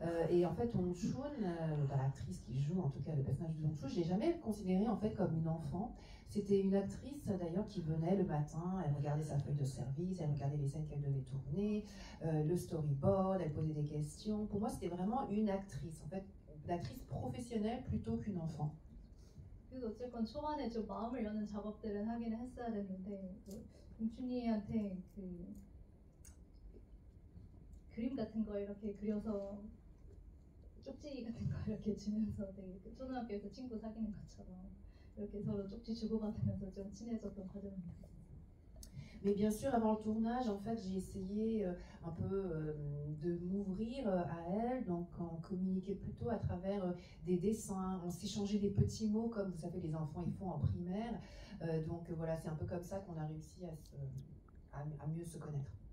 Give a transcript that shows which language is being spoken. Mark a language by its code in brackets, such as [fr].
[fr] Et en fait, Dong Chun, l'actrice qui joue en tout cas le personnage de Dong Chun, je ne l'ai jamais considérée en fait comme une enfant. C'était une actrice d'ailleurs qui venait le matin, elle regardait sa feuille de service, elle regardait les scènes qu'elle devait tourner, le storyboard, elle posait des questions. Pour moi, c'était vraiment une actrice. En fait, l'actrice professionnelle plutôt qu'une enfant. [ko] 그래서 어쨌건 초반에 좀 마음을 여는 작업들은 하긴 했어야 되는데 김춘희한테 그 그림 같은 거 이렇게 그려서 쪽지 같은 거 이렇게 주면서 되게 그 초등학교에서 친구 사귀는 것처럼 이렇게 서로 쪽지 주고받으면서 좀 친해졌던 과정입니다. [fr] Mais bien sûr, avant le tournage, en fait, j'ai essayé un peu de m'ouvrir à elle. Donc, on communiquait plutôt à travers des dessins. On s'échangeait des petits mots, comme vous savez, les enfants, ils font en primaire. Donc, voilà, c'est un peu comme ça qu'on a réussi à mieux se connaître.